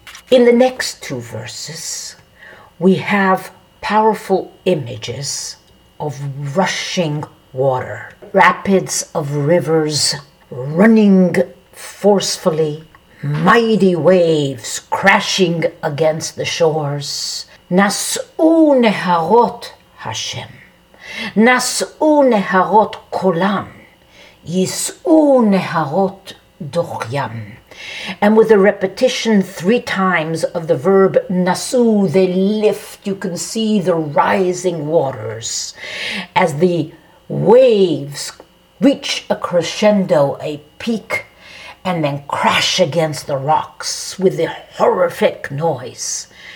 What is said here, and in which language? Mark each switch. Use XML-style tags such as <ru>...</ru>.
<en>In the next two verses, we have powerful images of rushing water, rapids of rivers running forcefully, mighty waves crashing against the shores,</en> <he>נשאו נהרות השם, נשאו נהרות קולם, יישאו נהרות דוחים.</he> <en>And with the repetition three times of the verb nasu, they lift, you can see the rising waters. As the waves reach a crescendo, a peak, and then crash against the rocks with a horrific noise.</en>